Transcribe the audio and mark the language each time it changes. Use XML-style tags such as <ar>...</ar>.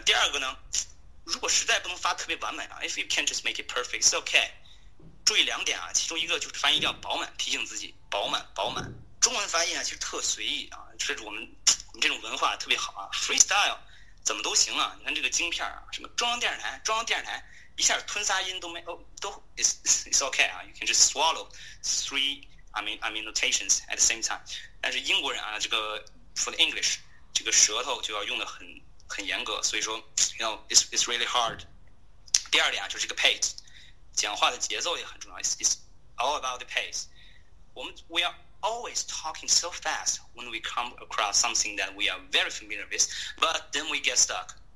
<zh>第二个呢，如果实在不能发特别完美啊，</zh> <en>if you can't just make it perfect，it's okay。</en> <zh>注意两点啊，其中一个就是发音一定要饱满，提醒自己饱满饱满。中文发音啊，其实特随意啊，这是我们这种文化特别好啊，freestyle 怎么都行啊。你看这个京片啊，什么中央电视台。一下吞仨音都没哦，都</zh> <en>it's okay 啊，you can just swallow three I mean notations at the same time。</en> <zh>但是英国人啊，这个</zh> <en>for the English</en> <zh>这个舌头就要用得很严格，所以说</zh> <en>it's really hard。</en> <zh>第二点啊，就是这个 pace， 讲话的节奏也很重要。</zh> <en>It's all about the pace。 We are always talking so fast when we come across something that we are very familiar with， but then we get stuck。</en>